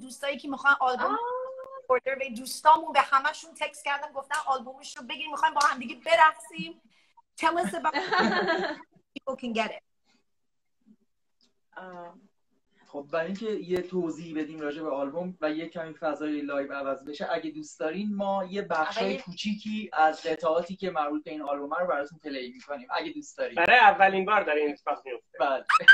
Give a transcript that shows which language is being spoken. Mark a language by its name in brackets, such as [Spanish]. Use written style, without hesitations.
[Persian] دوستایی که میخوان آلبوم order به دوستامون, به همشون تکست کردم گفتم آلبومشو بگیریم, میخوایم با هم دیگه برقصیم. [English] Tell us about how people can get it. [Persian] خب برای اینکه یه توضیح بدیم راجع به آلبوم و یه کمی فضای لایو عوض بشه, اگه دوست دارین ما یه بخشای کوچیکی از قطعاتی که مربوط به این آلبوم رو براتون پلی می‌کنیم, اگه دوست دارین. برای اولین بار داره این اتفاق میفته. بله.